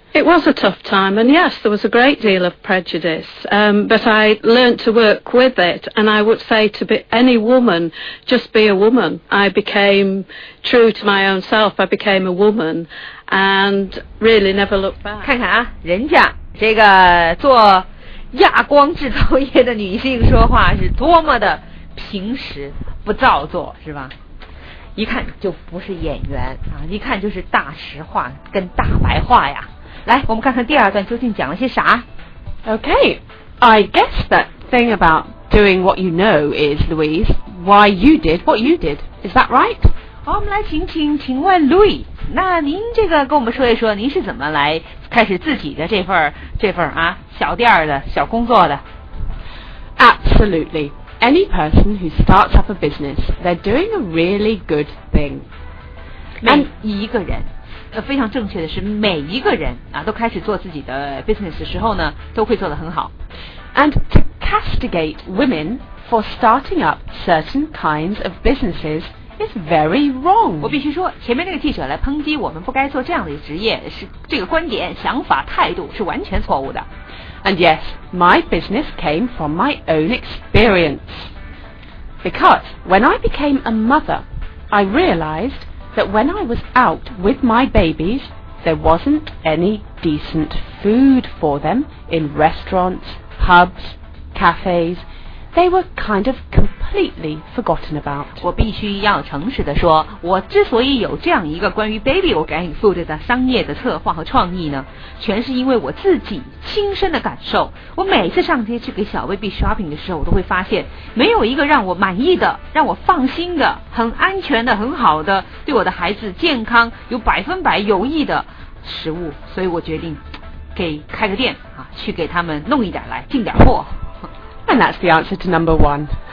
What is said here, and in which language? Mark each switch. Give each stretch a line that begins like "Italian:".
English: It was a tough time, and yes, there was a great deal of prejudice, but I learned to work with it, and I would say to any woman, just be a woman. I became true to my own self, I became a woman, and really never looked back.
Chinese: 看看啊，人家这个做亚光制造业的女性说话是多么的平实，不造作，是吧？一看就不是演员啊，一看就是大实话跟大白话呀。来，我们看看第二段究竟讲了些啥。
English: Okay, I guess that thing about doing what you know is, Louise, why you did what you did. Is that right?
Chinese: 好，我们来请问 Louis, 那您这个跟我们说一说，您是怎么来开始自己的这份啊小店的小工作的？
English: Absolutely. Any person who starts up a business, they're doing a really good thing.
Chinese: 每一个人。非常正确的是每一个人啊，都开始做自己的 business 的时候呢都会做得很好。
English: And to castigate women for starting up certain kinds of businesses is very wrong.
Chinese: 我必须说前面那个记者来抨击我们不该做这样的职业是这个观点想法态度是完全错误的。
English: And yes, my business came from my own experience. Because when I became a mother, I realizedthat when I was out with my babies, there wasn't any decent food for them in restaurants, pubs, cafes. They were kind of completely forgotten about.
Chinese: 我必须要诚实地说，我之所以有这样一个关于
English: baby organic food
Chinese: 的商业的策划和创意呢，全是因为我自己亲身的感受。我每次上街去给小
English: baby shopping
Chinese: 的时候，我都会发现，没有一个让我满意的、让我放心的、很安全的、很好的、对我的孩子健康有百分百有益的食物。所以我决定给开个店啊，去给他们弄一点来，进点货。
English: And that's the answer to number one.